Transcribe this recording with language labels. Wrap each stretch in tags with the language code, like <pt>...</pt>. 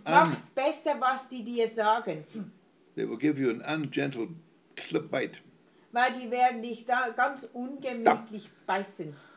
<de>machst besser, was die dir sagen.</de> <en>They will give you an ungentle slip bite.</en> <de>Weil die werden dich da ganz ungemütlich beißen.</de>